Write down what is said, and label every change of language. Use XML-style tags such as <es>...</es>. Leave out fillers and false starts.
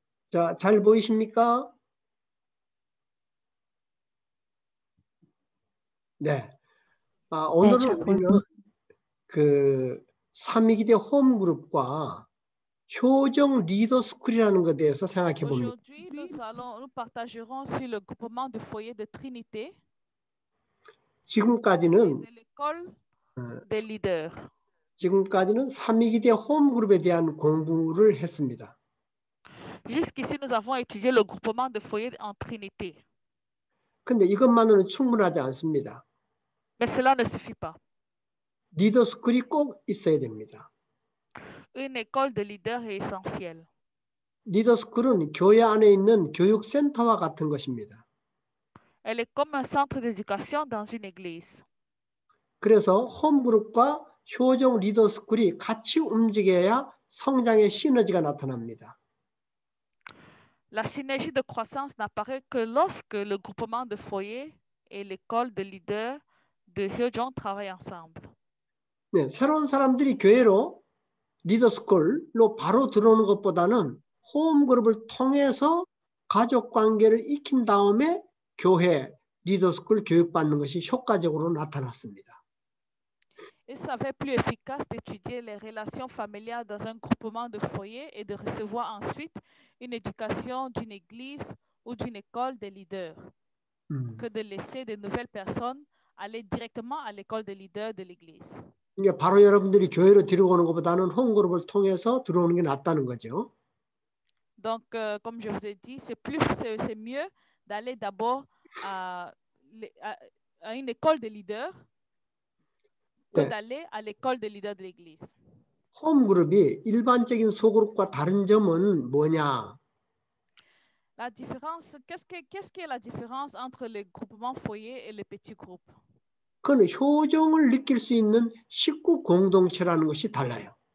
<ko>자, 잘 보이십니까? 네. 아, 오늘은 네, 보면 그 삼위기대 홈 그룹과 효정 리더 스쿨이라는 것에 대해서 생각해 봅니다.</ko> <fr>Aujourd'hui, nous partagerons sur le groupement de foyer de Trinité.</fr> <ko>지금까지는</ko> <fr>l'école des leaders.</fr> <ko>지금까지는 삼위기대 홈 그룹에 대한 공부를 했습니다.</ko> <fr>Jusqu'ici, nous avons étudié le groupement de foyer en Trinité.</fr> <ko>근데 이것만으로는 충분하지 않습니다.</ko> <fr>Mais cela ne suffit pas.</fr> <ko>리더 스쿨이 꼭 있어야 됩니다.</ko> <fr>Une école de leaders est essentielle.</fr> <ko>리더 스쿨은 교회 안에 있는 교육 센터와 같은 것입니다.</ko> <fr>Elle est comme un centre d'éducation dans une église.</fr> <ko>그래서 홈 그룹과 효정 리더 스쿨이 같이 움직여야 성장의 시너지가 나타납니다.</ko> <fr>La synergie de croissance n'apparaît que lorsque le groupement de foyer et l'école de leaders de Hyojong travaillent ensemble.</fr> <ko>네, 새로운 사람들이 교회로 리더 스쿨로 바로 들어오는 것보다는 홈 그룹을 통해서 가족 관계를 익힌 다음에 교회 리더 스쿨 교육 받는 것이 효과적으로 나타났습니다.</ko> <fr>Il s'avère plus efficace d'étudier les relations familiales dans un groupement de foyer et de recevoir ensuite une éducation d'une église ou d'une école des leaders que de laisser de nouvelles personnes aller directement à l'école des leaders de l'église.</fr> <ko>이게 바로 여러분들이 교회로 들어오는 것보다는 홈 그룹을 통해서 들어오는 게 낫다는 거죠.</ko> <fr>Donc comme je vous ai dit, c'est mieux d'aller d'abord à une école de leaders que d'aller à l'école de leaders de l'église.</fr> <ko>홈그룹이 일반적인 소그룹과 다른 점은 뭐냐?</ko> <fr>La différence, qu'est-ce que la différence entre le groupement foyer et le petit groupe?</fr> <ko>그는 효정을 느낄 수 있는 식구 공동체라는 것이 달라요.</ko>